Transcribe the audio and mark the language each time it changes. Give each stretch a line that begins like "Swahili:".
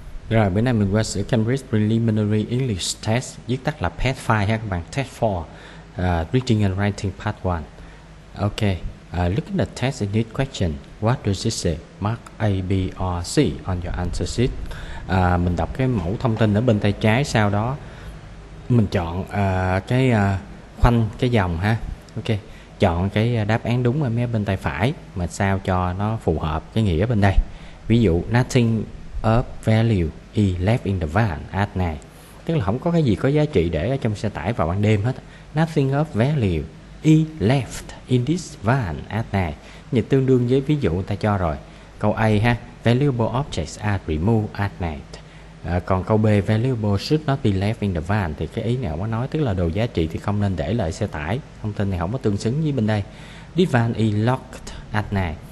Vietnamese: Rồi, bữa nay mình qua sửa Cambridge Preliminary English Test, viết tắt là PET 5 ha các bạn, Test 4, Reading and Writing Part 1.
English: Ok, look at the test in this question. What does it say? Mark A, B, or C on your answer sheet.
Vietnamese: Mình đọc cái mẫu thông tin ở bên tay trái, sau đó mình chọn cái khoanh cái dòng ha. Ok, chọn cái đáp án đúng ở mé bên tay phải mà sao cho nó phù hợp cái nghĩa bên đây. Ví dụ,
English: nothing of value he left in the van at night.
Vietnamese: Tức là không có cái gì có giá trị để ở trong xe tải vào ban đêm hết.
English: Nothing of value he left in this van at night.
Vietnamese: Như tương đương với ví dụ người ta cho rồi. Câu A ha,
English: valuable objects are removed at night.
Vietnamese: Còn câu B,
English: valuable should not be left in the van,
Vietnamese: thì cái ý nào có nói, tức là đồ giá trị thì không nên để lại xe tải. Thông tin này không có tương xứng với bên đây.
English: This van is locked at night.